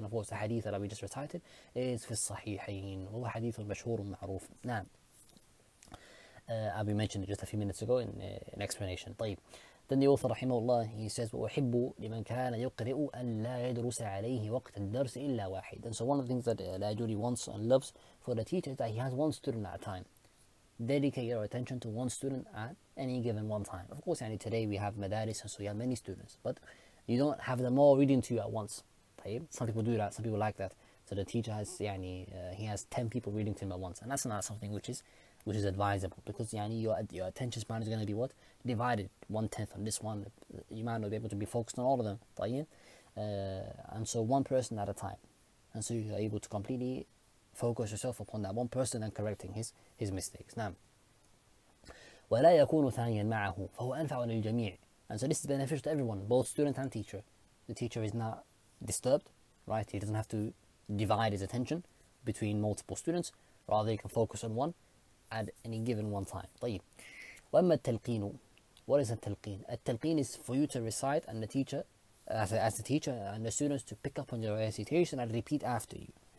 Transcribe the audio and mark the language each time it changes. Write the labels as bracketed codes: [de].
[en] And of course the حديث that we just recited is [ar] في الصحيحين، وهو حديث مشهور معروف. نعم. [en] I'll be mentioned just a few minutes ago in an explanation. [ar] طيب. [en] Then the author [ar] رحمه الله [en] he says [ar] وأحب لمن كان يقرأ أن لا يدرس عليه وقت الدرس إلا واحد. [en] And so one of the things that الأجري wants and loves for the teacher is that he has one student at a time. Dedicate your attention to one student at any given one time. Of course, [ar] يعني [en] today we have madaris and so we have many students, but you don't have them all reading to you at once. [ar] طيب. [en] Some people do that, some people like that. So the teacher has [ar] يعني [en] he has 10 people reading to him at once, and that's not something which is advisable, because يعني your attention span is going to be what? Divided, one tenth on this one, you might not be able to be focused on all of them. [ar] طيب. [en] And so one person at a time, and so you're able to completely focus yourself upon that one person and correcting his mistakes. [ar] نعم. ولا يكون ثانيا معه فهو أنفع للجميع. [en] And so this is beneficial to everyone, both student and teacher. The teacher is not disturbed, right? He doesn't have to divide his attention between multiple students. Rather, he can focus on one at any given one time. [ar] طيب. وأما التلقين. [en] What is التلقين? التلقين is for you to recite and the teacher, as the teacher and the students to pick up on your recitation and repeat after you.